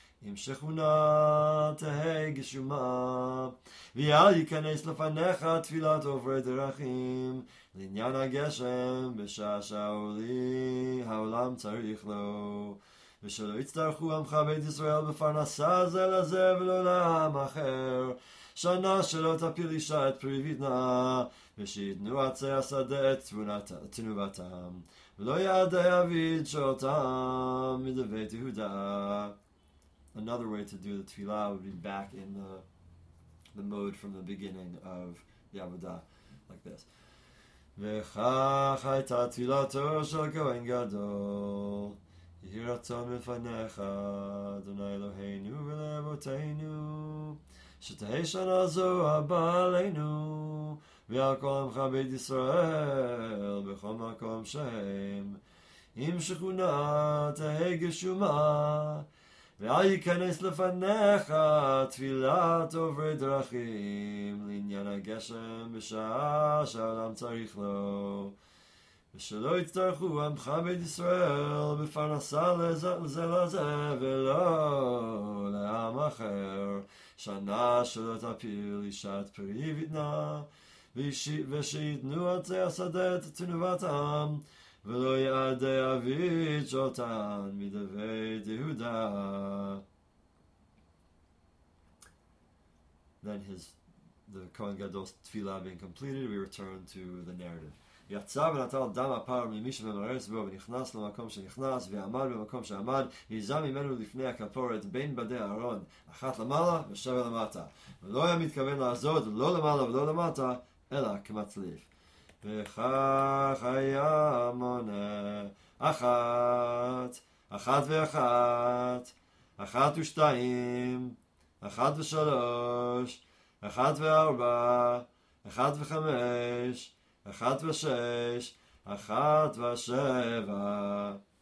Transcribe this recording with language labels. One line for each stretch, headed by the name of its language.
Hebrew: אם שכונה תהא גשומה, ואל ייכנס לפניך תפילת עוברי דרכים, לעניין הגשם בשעה שהעולם צריך לו, ושלא יצטרכו עמך בית ישראל בפרנסה זה לזה ולא לעם אחר, שנה שלא תפיל אישה את פרי בטנה, ושיתנו עצי השדה את תנובתם, ולא יעדי אביד שאותם מדבית יהודה.
English: Another way to do the tefillah would be back in the mode from the beginning of the Avodah, like this.
Hebrew: וכך הייתה תפילתו של כהן גדול, יהי רצון מלפניך, אדוני אלוהינו ולאבותינו, שתהי שנה זו הבאה עלינו, ועל כל עמך בית ישראל, בכל מקום שהם, אם שכונה תהי גשומה, ואל ייכנס לפניך תפילת עוברי דרכים, לעניין הגשם בשעה שהעולם צריך לו, ושלא יצטרכו עמך בית ישראל בפרנסה לזה לזה ולא לעם אחר, שנה שלא תפיל אישת פרי בטנה, ושיתנו עצי השדה את תנובתם, ולא יעדי אביד שאותן מדבית יהודה.
English: Then the Kohen Gadol's tefillah being completed, we return to the narrative.
Hebrew: יצא ונטל דם הפר ממי שממרס בו, ונכנס למקום שנכנס, ועמד במקום שעמד, ויזה ממנו לפני הכפורת בין בדי הארון, אחת למעלה ושבע למטה. ולא היה מתכוון לעזוד, לא למעלה ולא למטה, אלא כמצליף. וכך היה המונה, אחת, אחת ואחת, אחת ושתיים, אחת ושלוש, אחת וארבע, אחת וחמש, אחת ושש, אחת ושבע.